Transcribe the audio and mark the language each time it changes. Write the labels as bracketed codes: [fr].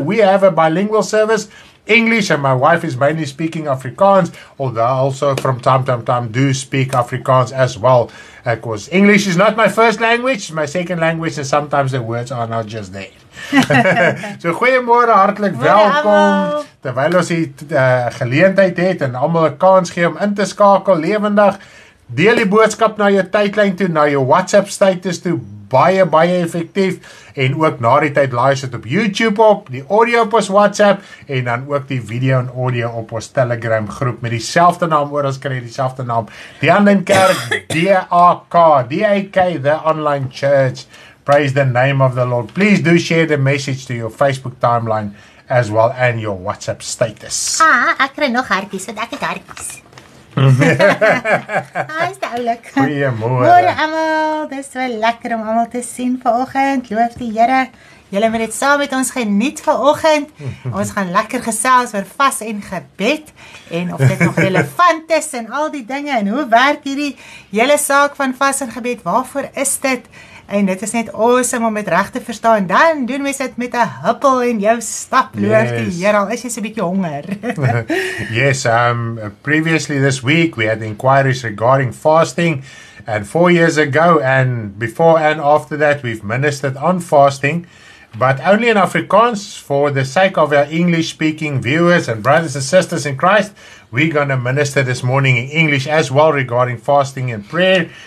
[en] We have a bilingual service, English, and my wife is mainly speaking Afrikaans, although also from time to time do speak Afrikaans as well. Of course, English is not my first language, my second language, and sometimes the words are not just there. [af] So, goeiemôre, hartlik welkom. Terwyl ons hier geleentheid het en almal 'n kans gee om in te skakel lewendig, deel die boodskap na jou tydlyn toe, na jou WhatsApp status toe, baie, baie effektief, en ook na die tyd laai sit op YouTube op, die audio op ons WhatsApp, en dan ook die video en audio op ons Telegram groep, met die selfde naam, oor ons kry die selfde naam, die Online Kerk, D-A-K, D-A-K, [en] the Online Church, praise the name of the Lord. Please do share the message to your Facebook timeline, as well, and your WhatsApp status. [af] Ah, ek kry nog hartjies, want ek het hartjies. Hy is duidelik. Goeiemôre almal, dit is so lekker om almal te sien vanoggend. Loof die Here. Julle moet dit saam met ons geniet vanoggend. Ons gaan lekker gesels oor vas en gebed, en of dit nog relevant is en al die dinge, en hoe werk hierdie hele saak van vas en gebed, waarvoor is dit? En dit is net awesome om dit reg te verstaan. Dan doen mense dit met 'n huppel en jou stap loof die Here. Al is jy so 'n bietjie honger. [en] Yes, previously this week we had inquiries regarding fasting, and 4 years ago, and before and after that, we've ministered on fasting, but only in Afrikaans. For the sake of our English-speaking viewers and brothers and sisters in Christ, we're going to minister this morning in English as well regarding fasting and prayer.